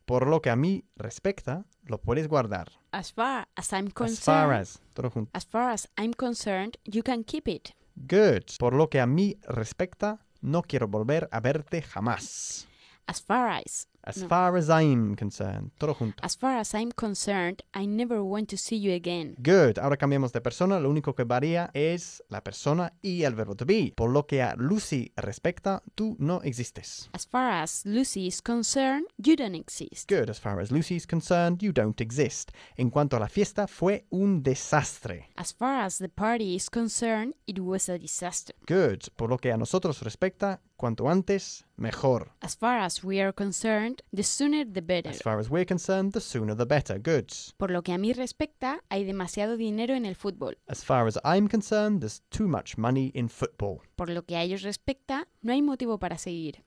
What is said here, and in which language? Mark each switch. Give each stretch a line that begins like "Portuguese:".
Spanish: Por lo que a mí respecta, lo puedes guardar.
English: As far as I'm concerned. As far as.
Spanish: Todo junto.
English: As far as I'm concerned, you can keep it. Good.
Spanish: Por lo que a mí respecta, no quiero volver a verte jamás.
English: As far as I'm concerned.
Spanish: Todo junto.
English: As far as I'm concerned, I never want to see you again. Good.
Spanish: Ahora cambiamos de persona. Lo único que varía es la persona y el verbo to be. Por lo que a Lucy respecta, tú no existes.
English: As far as Lucy is concerned, you don't exist. Good. As far as Lucy is concerned, you don't exist.
Spanish: En cuanto a la fiesta, fue un desastre.
English: As far as the party is concerned, it was a disaster. Good.
Spanish: Por lo que a nosotros respecta, cuanto antes, mejor.
English: As far as we are concerned, the sooner the better. As far as we're concerned, the sooner the better. Good.
Spanish: Por lo que a mí respecta, hay demasiado dinero en el fútbol.
English: As far as I'm concerned, there's too much money in football.
Spanish: Por lo que a ellos respecta, no hay motivo para seguir.